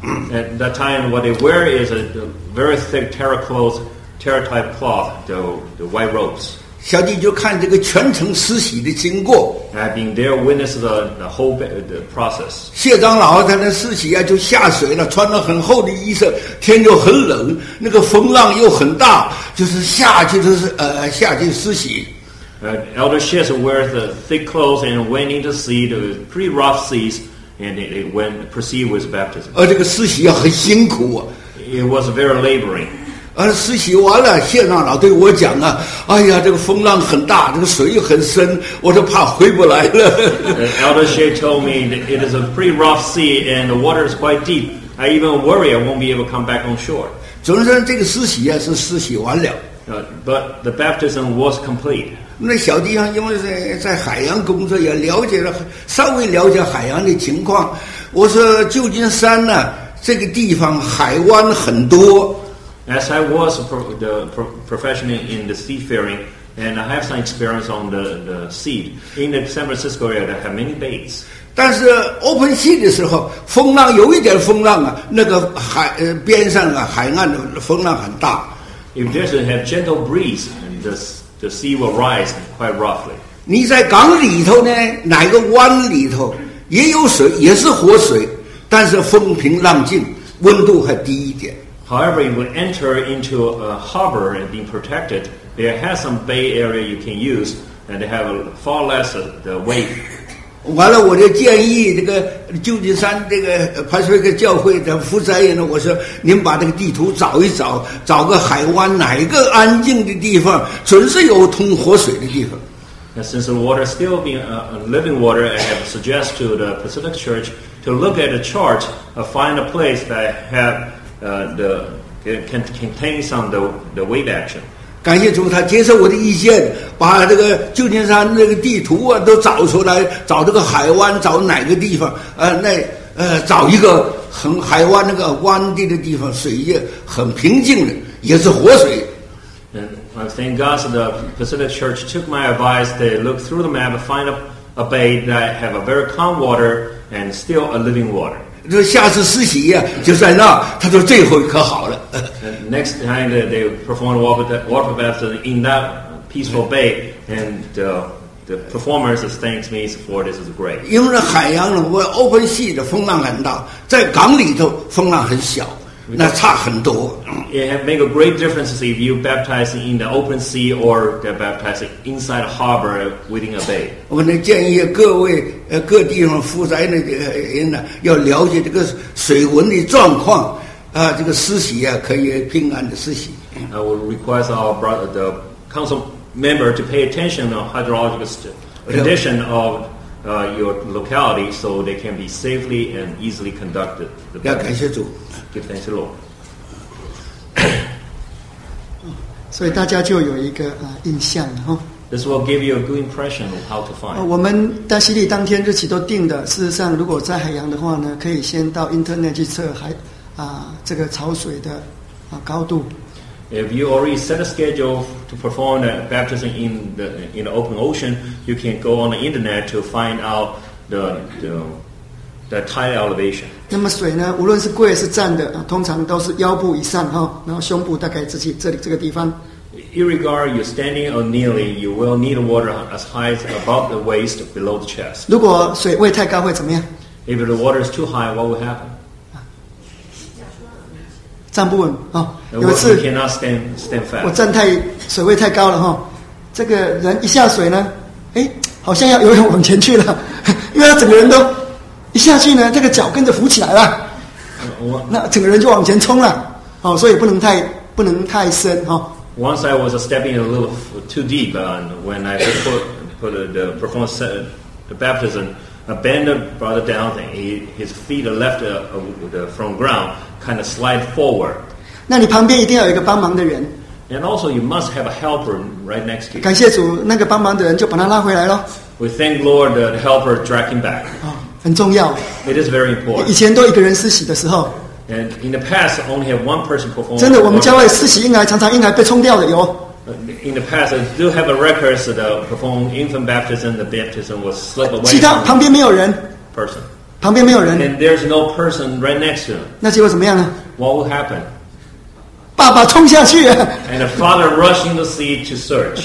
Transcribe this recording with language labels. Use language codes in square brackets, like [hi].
[en] At that time, what they wear is a very thick terra cloth, terra type cloth, the white robes. [zh] 小弟就看这个全程施洗的经过。 [en] I've been there, witnessed the whole the process. [zh] 谢长老在那施洗啊，就下水了，穿了很厚的衣裳，天就很冷，那个风浪又很大，就是下去就是下去施洗。 [en] Elder Shears wears the thick clothes and went into sea, the pretty rough seas. And it went proceed with baptism. [zh] 这个施洗要很辛苦啊。 [en] It was very laboring. [zh] 施洗完了，谢长老对我讲啊，哎呀，这个风浪很大，这个水又很深，我就怕回不来了。 [en] Elder Shea told me that it is a pretty rough sea and the water is quite deep. I even worry I won't be able to come back on shore. [zh] 总之，这个施洗啊是施洗完了。 [en] But the baptism was complete. [zh] 那小弟兄因为在海洋工作也了解了稍微了解海洋的情况，我说旧金山呢、啊、这个地方海湾很多。 [en] As I was the professional in the seafaring, and I have some experience on the sea in the San Francisco area, there have many bays. [zh] 但是 open sea 的时候，风浪有一点风浪啊，那个海边上啊，海岸的风浪很大。 [en] If there's a have gentle breeze, the sea will rise quite roughly. [zh] 你在港里头呢，哪个湾里头也有水，也是活水，但是风平浪静，温度还低一点。 [en] However, you would enter into a harbor and being protected. There has some bay area you can use, and they have far less of the wave. [zh] 完了，我就建议这个旧金山这个 Pacific 教会的负责人呢，我说您把这个地图找一找，找个海湾哪一个安静的地方，准是有通活水的地方。 [en] And since the water still being a living water, I have suggested to the Pacific Church to look at a chart, find a place that have. Can contain some the wave action. [zh] 感谢主，他接受我的意见，把这个旧金山那个地图啊都找出来，找这个海湾，找哪个地方？找一个很海湾那个湾地的地方，水也很平静的，也是活水。 [en] And I thank God, the Pacific Church took my advice. They look through the map, find a bay that have a very calm water and still a living water. [zh] 就下次施洗呀、啊，就在那。他说最后可好了。 [en] Next time they perform water baptism in that peaceful bay, and the performers thanks me for this is great. [zh] 因为海洋我 open sea 的风浪很大，在港里头风浪很小，那差很多。 [en] It make a great difference if you baptize in the open sea or get baptized inside a harbor within a bay. [zh] 我呢建议各位各地方负责那个人呢，要了解这个水文的状况啊，这个施洗啊可以平安的施洗。 [en] I will request our brother, the council member to pay attention to hydrological condition of your locality so they can be safely and easily conducted. [zh] 要感谢主。 [en] Give thanks to the Lord. [zh] 所以大家就有一个印象哈。 [en] This will give you a good impression of how to find. [zh] 我们大溪里当天日期都定的。事实上，如果在海洋的话呢，可以先到 internet 去测海这个潮水的高度。 [en] If you already set a schedule to perform a baptism in the open ocean, you can go on the internet to find out the tide elevation. [zh] 那么水呢，无论是跪是站的，通常都是腰部以上，然后胸部大概自己这里这个地方。 [en] Irregardless, you're standing or kneeling, you will need water as high as above the waist, below the chest. [zh] 如果水位太高会怎么样？ [en] If the water is too high, what will happen? [zh] 站不稳，有一次 [en] you cannot stand fast. [zh] 我站太水位太高了，这个人一下水呢，好像要游泳往前去了，因为他整个人都一下去呢，这个脚跟着浮起来了，那整个人就往前冲了，所以不能太深哈。 [en] Once I was stepping a little too deep, and when I put the performed the baptism, a bend brother down, and his feet left from ground, kind of slide forward. [zh] 那你旁边一定要有一个帮忙的人。 [en] And also, you must have a helper right next to you. [zh] 感谢主，那个帮忙的人就把他拉回来了。 [en] We thank Lord the helper dragging back. [zh] 很重要。 [en] It is very important. [zh] 以前都一个人施洗的时候。 [en] And in the past, only have one person perform. [zh] 真的，我们教会施洗婴孩常常婴孩被冲掉的哟。 [en] In the past, I do have a record that perform infant baptism. The baptism was slipped away. [zh] 其他旁边没有人。 [en] Person. [zh] 旁边没有人。 [en] And there's no person right next to him. [zh] 那结果怎么样呢？ [en] What will happen? [zh] 爸爸冲下去。 [en] And the father rushing the sea to search.